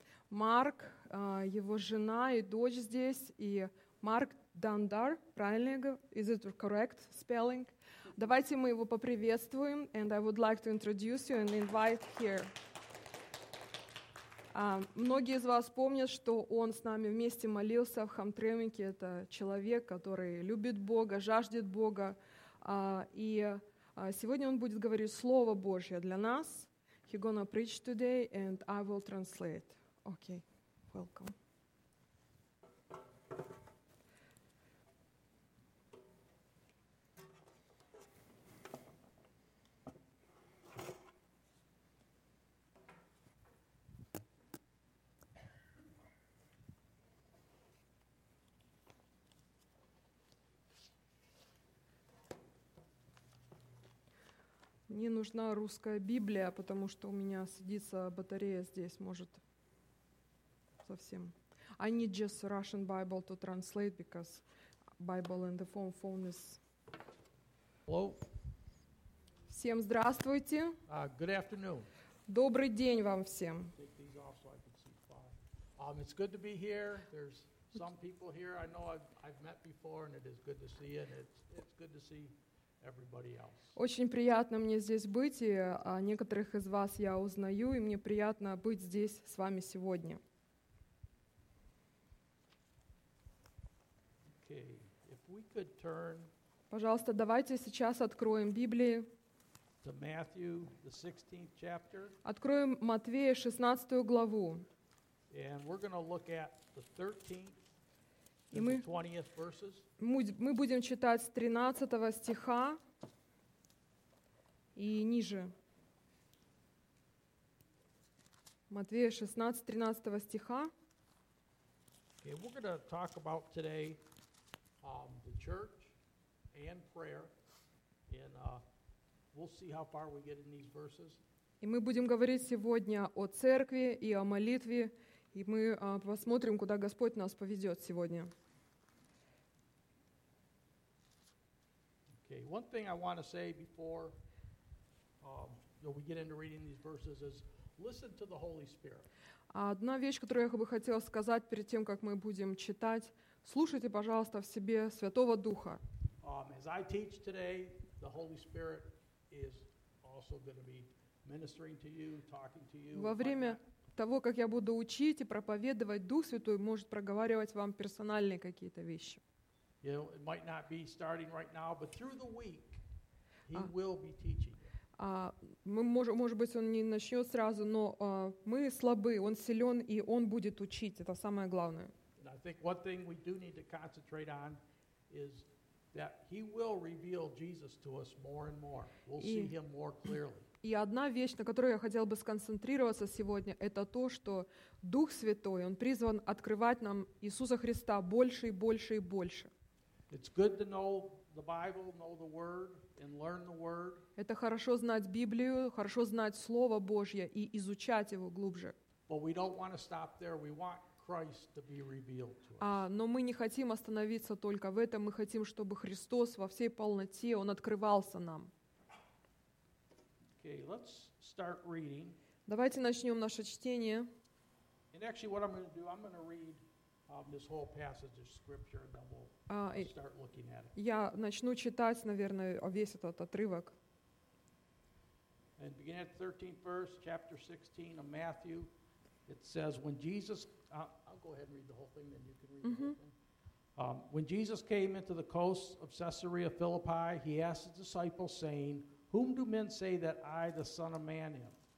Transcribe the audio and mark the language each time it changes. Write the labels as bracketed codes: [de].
[ru] Марк, его жена и дочь здесь. И Марк Дандар, правильно я говорю? [en] Is it correct spelling? [ru] Давайте мы его поприветствуем. [en] And I would like to introduce you and invite here. [ru] Многие из вас помнят, что он с нами вместе молился в Хамтремике. Это человек, который любит Бога, жаждет Бога. И сегодня он будет говорить Слово Божье для нас. [en] He's gonna preach today, and I will translate. Okay, welcome. [ru] Мне нужна русская Библия, потому что у меня садится батарея здесь, может, совсем. [en] I need just Russian Bible to translate, because Bible and the phone is... Hello. [ru] Всем здравствуйте. [en] Good afternoon. [ru] Добрый день вам всем. [en] Take these off so I can see fine. It's good to be here. There's some people here I know I've met before, and it is good to see you, and it's good to see... [ru] Очень приятно мне здесь быть, и некоторых из вас я узнаю, и мне приятно быть здесь с вами сегодня. [en] Okay. If we could turn, [ru] пожалуйста, давайте сейчас откроем Библии. [en] To Matthew, the 16th chapter. [ru] Откроем Матвея, 16 главу. [en] And we're gonna look at the 13th. [ru] И мы будем читать с 13 стиха и ниже. Матвея 16, 13 стиха. [en] Okay, we're going to talk about today the church and prayer. And we'll see how far we get in these verses. [ru] И мы будем говорить сегодня о церкви и о молитве. И мы посмотрим, куда Господь нас поведет сегодня. [en] Okay, one thing I want to say before we get into reading these verses is listen to the Holy Spirit. [ru] Одна вещь, которую я бы хотела сказать перед тем, как мы будем читать, слушайте, пожалуйста, в себе Святого Духа. [en] As I teach today, the Holy Spirit is also going to be ministering to you, talking to you. [ru] Во время того, как я буду учить и проповедовать, Дух Святой может проговаривать вам персональные какие-то вещи. [en] You know, it might not be starting right now, but through the week, he will be teaching. [ru] Может быть, он не начнет сразу, но мы слабы, он силен, и он будет учить. Это самое главное. [en] And I think one thing we do need to concentrate on is that he will reveal Jesus to us more and more. We'll see him more clearly. [ru] И одна вещь, на которую я хотел бы сконцентрироваться сегодня, это то, что Дух Святой, он призван открывать нам Иисуса Христа больше и больше и больше. [en] It's good to know the Bible, know the Word, and learn the Word. [ru] Это хорошо знать Библию, хорошо знать Слово Божье и изучать его глубже. [en] But we don't want to stop there. We want Christ to be revealed to us. [ru] Но мы не хотим остановиться только в этом. Мы хотим, чтобы Христос во всей полноте, он открывался нам. [en] Okay, let's start reading. [ru] Давайте начнем наше чтение. [en] And actually, what I'm going to do, I'm going to read this whole passage of scripture, and then we'll start looking at it. [ru] Я начну читать, наверное, весь этот отрывок. [en] And beginning at the 13th verse, chapter 16 of Matthew, it says, "When Jesus, I'll go ahead and read the whole thing, then you can read the whole thing. When Jesus came into the coast of Caesarea Philippi, he asked his disciples, saying, 'Whom do men say that I, the Son of Man, am?'